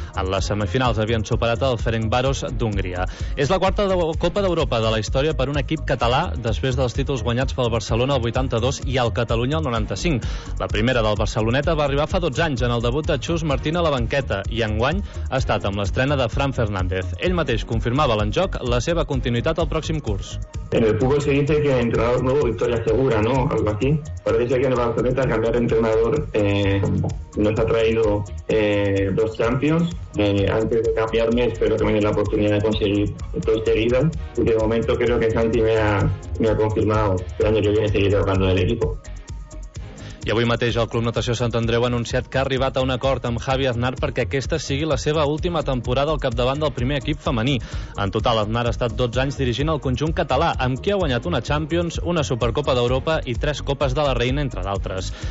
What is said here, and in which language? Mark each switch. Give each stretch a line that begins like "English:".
Catalan: En les semifinals havien superat el Ferencváros d'Hongria. És la quarta Copa d'Europa de la història per un equip català després dels títols guanyats pel Barcelona el 82 i el Catalunya el 95. La primera del Barceloneta va arribar fa 12 anys en el debut de Xus Martín a la banqueta i enguany ha estat amb l'estrena de Fran Fernández. Ell mateix confirmava l'enjoc la seva continuïtat al pròxim curs.
Spanish: En el fútbol se dice que entrenador nuevo, victoria segura, ¿no? Algo así. Parece que en el Barcelona cambiar de entrenador nos ha traído dos Champions. Antes de cambiarme espero que me dé la oportunidad de conseguir dos seguidas. Y de momento creo que Santi me ha confirmado que el año que viene seguiré jugando en el equipo.
Catalan: I avui mateix el Club Natació Sant Andreu ha anunciat que ha arribat a un acord amb Javi Aznar perquè aquesta sigui la seva última temporada al capdavant del primer equip femení. En total, Aznar ha estat 12 anys dirigint el conjunt català, amb qui ha guanyat una Champions, una Supercopa d'Europa i 3 Copes de la Reina, entre d'altres.